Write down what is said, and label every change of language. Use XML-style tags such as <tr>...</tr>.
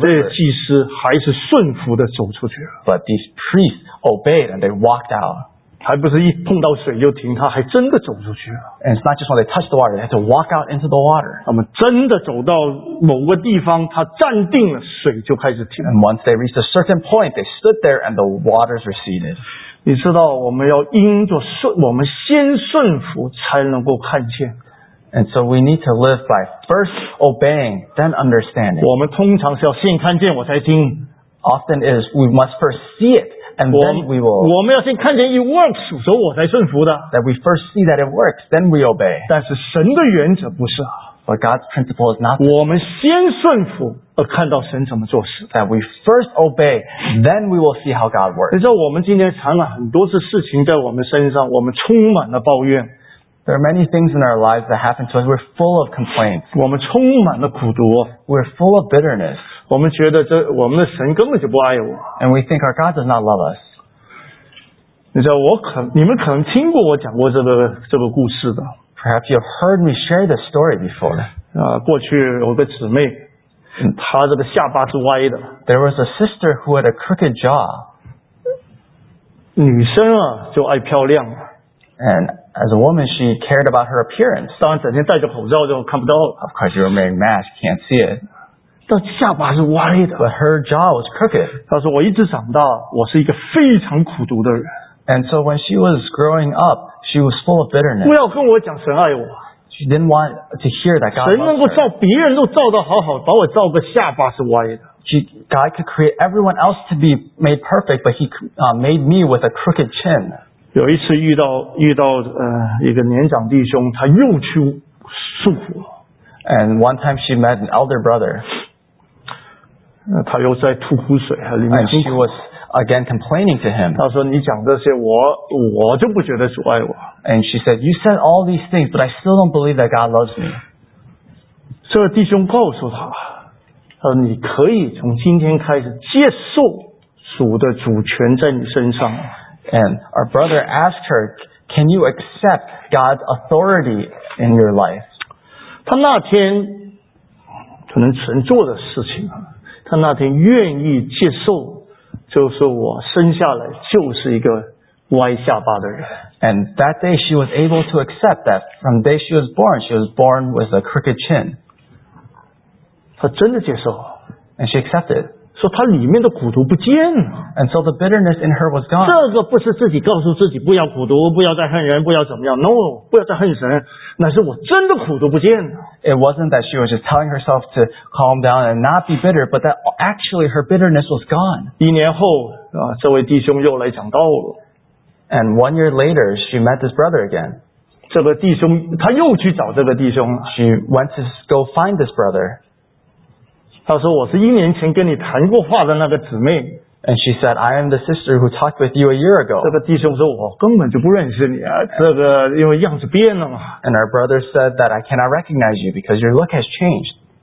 <zh>但这些祭司还是顺服地走出去了。</zh> <en>But these priests obeyed and they walked out.</en> <zh>还不是一碰到水就停，他还真的走出去了。</zh> <en>And it's not just when they touch the water, they had to walk out into the water.</en> <zh>他们真的走到某个地方，他站定了，水就开始停。</zh> <en>And once they reached a certain point, they stood there and the waters receded.</en> <zh>你知道我们要因着顺，我们先顺服才能够看见。</zh> <en>And so we need to live by first obeying, then understanding.</en> <zh>我们通常是要先看见我才听。</zh> <en>Often is we must first see it, and then we will.</en> <zh>我们要先看见</zh> <en>it works,</en> <zh>所以我才顺服的。</zh> <en>That we first see that it works, then we obey.</en> <zh>但是神的原则不是。</zh> <en>But God's principle is not.</en> <zh>我们先顺服。而看到神怎么做事。</zh> <en>That we first obey, then we will see how God works.</en> <zh>你知道我们今天藏了很多次事情在我们身上，我们充满了抱怨。</zh> <en>There are many things in our lives that happen to us. We're full of complaints.</en> <zh>我们充满了苦毒。</zh> <en>We're full of bitterness.</en> <zh>我们觉得这我们的神根本就不爱我。</zh> <en>And we think our God does not love us.</en> <zh>你知道我可你们可能听过我讲过这个故事的。</zh> <en>Perhaps you've heard me share this story before.</en> <zh>过去有个姊妹。他这个下巴是歪的。</zh> <en>There was a sister who had a crooked jaw.</en> <zh>女生啊就爱漂亮。</zh> <en>And as a woman, she cared about her appearance.</en> <zh>当然整天戴着口罩就看不到了。</zh> <en>Of course, you're wearing mask, can't see it.</en> <zh>但下巴是歪的。</zh> <en>But her jaw was crooked.</en> <zh>她说我一直长大，我是一个非常苦毒的人。</zh> <en>And so when she was growing up, she was full of bitterness.</en> <zh>不要跟我讲神爱我。</zh> <en>She didn't want to hear that God.</en> <zh>神能够照别人都照得好好，把我照个下巴是歪的。</zh> <en>God could create everyone else to be made perfect, but He made me with a crooked chin.</en> <zh>有一次遇到一个年长弟兄，他又去诉苦。</zh> <en>And one time she met an elder brother.</en> <zh>他又在吐苦水，里面</zh> <en>苦。And she was again complaining to him.</en> <zh>他说你讲这些，我就不觉得主爱我。</zh> <en>And she said, you said all these things, but I still don't believe that God loves me.</en> <zh>这弟兄告诉他，你可以从今天开始接受主的主权在你身上。</zh> <en>And our brother asked her, can you accept God's authority in your life?</en> <zh>他那天可能曾做的事情，他那天愿意接受，就是我生下来就是一个歪下巴的人。</zh> <en>And that day she was able to accept that from the day she was born with a crooked chin.</en> <zh>她真的接受。</zh> <en>And she accepted.</en> <zh>说他里面的苦毒不见了。</zh> <en>And so the bitterness in her was gone.</en> <zh>这个不是自己告诉自己不要苦毒，不要再恨人，不要怎么样。</zh> <en>No,</en> <zh>不要再恨神，乃是我真的苦毒不见了。</zh> <en>It wasn't that she was just telling herself to calm down and not be bitter, but that actually her bitterness was gone.</en> <zh>一年后，这位弟兄又来讲道了。</zh> <en>And 1 year later, she met this brother again.</en> <zh>这个弟兄，他又去找这个弟兄。</zh> <en>She went to go find this brother.</en> <zh>他说我是一年前跟你谈过话的那个姊妹。</zh> <en>And she said, I am the sister who talked with you a year ago.</en> <zh>这个弟兄说我根本就不认识你啊，这个因为样子变了嘛。</zh> <en>And our brother said that I cannot recognize you because your look has changed.</en>